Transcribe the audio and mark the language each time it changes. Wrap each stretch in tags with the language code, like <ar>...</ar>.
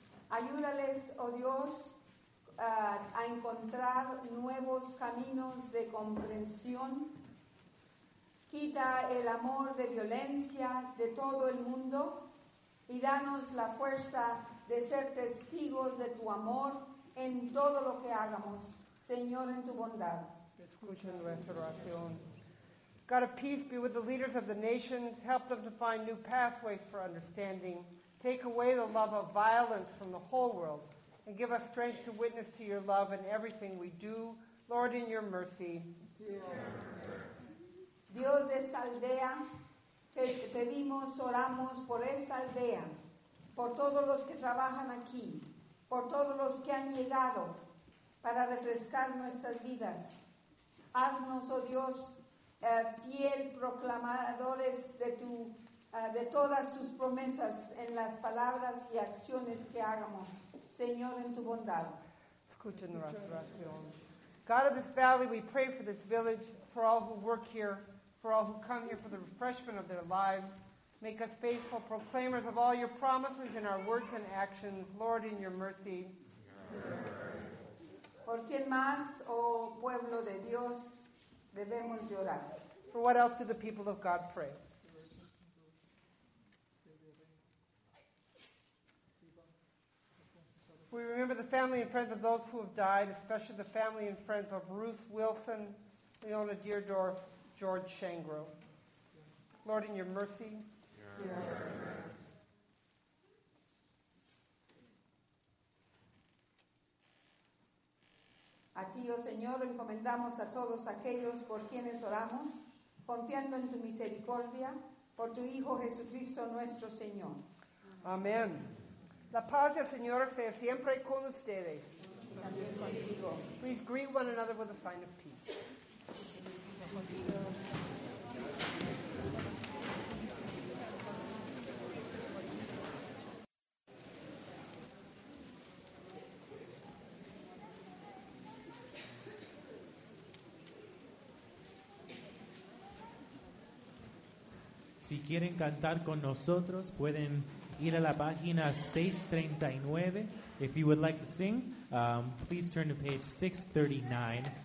<es>Ayúdales, oh Dios, a encontrar nuevos caminos de comprensión. Quita el amor de violencia de todo el mundo. Y danos la fuerza de ser testigos de tu amor en todo lo que hagamos, Señor, en tu bondad. Escucha nuestra oración.</es> <en>God of peace, be with the leaders of the nations. Help them to find new pathways for understanding. Take away the love of violence from the whole world. And give us strength to witness to your love in everything we do. Lord, in your mercy. Amen.</en> <es>Dios de esta aldea, pedimos, oramos por esta aldea, por todos los que trabajan aquí, por todos los que han llegado para refrescar nuestras vidas. Haznos, oh Dios, fiel proclamadores de todas tus promesas en las palabras y acciones que hagamos, Señor, en tu bondad. Escucha nuestra oración.</es> <en>God of this valley, we pray for this village, for all who work here, for all who come here for the refreshment of their lives. Make us faithful proclaimers of all your promises in our words and actions. Lord, in your mercy.</en> <es>¿Por quién más, oh pueblo de Dios, debemos llorar?</es> <en>For what else do the people of God pray? We remember the family and friends of those who have died, especially the family and friends of Ruth Wilson, Leona Deardorff, George Shangro. Lord, in your mercy.</en> <es>A ti, oh Señor, encomendamos a todos aquellos por quienes oramos, confiando en tu misericordia, por tu Hijo Jesucristo nuestro Señor. Amén. La paz del Señor sea siempre con ustedes. Con tu espíritu.</es> <en>Please greet one another with a sign of peace.</en> <es>Si quieren cantar con nosotros, pueden ir a la página 639.</es> <en>If you would like to sing, please turn to page 639.</en>